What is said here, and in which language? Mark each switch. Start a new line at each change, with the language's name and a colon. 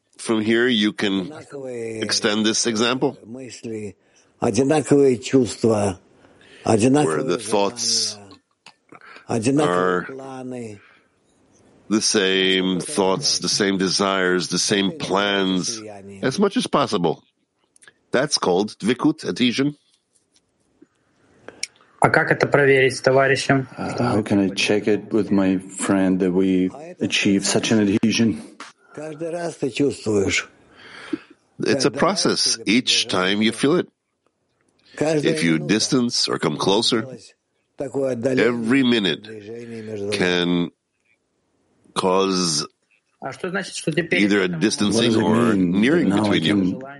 English: From here, you can extend this example. Where the thoughts are the same thoughts, the same desires, the same plans, as much as possible. That's called dvikut, adhesion.
Russian: А как это проверить с товарищем?
English: How can I check it with my friend that we achieve such an adhesion?
Russian: Каждый раз ты чувствуешь.
English: It's a process. Each time you feel it. If you distance or come closer, every minute can cause either a distancing or nearing between you.